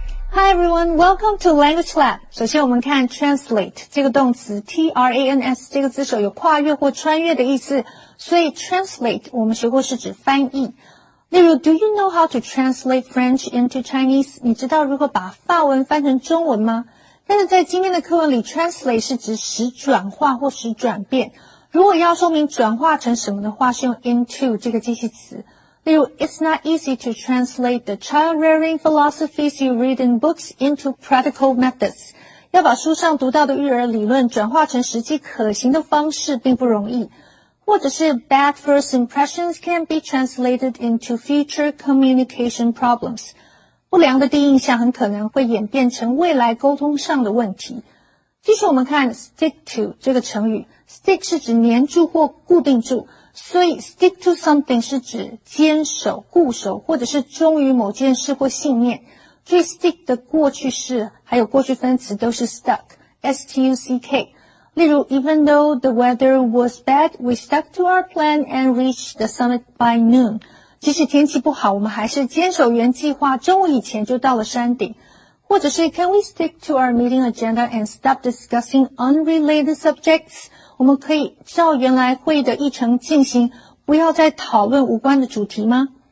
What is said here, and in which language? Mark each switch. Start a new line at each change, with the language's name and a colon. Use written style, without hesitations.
English: Hi everyone, welcome to Language Lab.
Chinese: 首先我们看 translate 这个动词 T-R-A-N-S 这个字首有跨越或穿越的意思，所以 translate 我们学过是指翻译。
English: 例如 Do you know how to translate French into Chinese?
Chinese: 你知道如何把法文翻成中文吗？但是在今天的课文里 translate 是指使转化或使转变。如果要说明转化成什么的话，是用 into 这个介系词。
English: 例如 It's not easy to translate the child-rearing philosophies you read in books into practical methods.
Chinese: 要把书上读到的育儿理论转化成实际可行的方式并不容易。
English: 或者是 Bad first impressions can be translated into future communication problems.
Chinese: 不良的第一印象很可能会演变成未来沟通上的问题。继续我们看 stick to 这个成语。Stick 是指黏住或固定住。所以 stick to something 是指坚守、固守或者是忠于某件事或信念。所以 stick 的过去式还有过去分词都是 stuck, S-T-U-C-K。
English: 例如 ,even though the weather was bad, we stuck to our plan and reached the summit by noon.
Chinese: 即使天气不好我们还是坚守原计划中午以前就到了山顶。
English: 或者是 can we stick to our meeting agenda and stop discussing unrelated subjects?
Chinese: 我们可以照原来会议的议程进行不要再讨论无关的主题吗？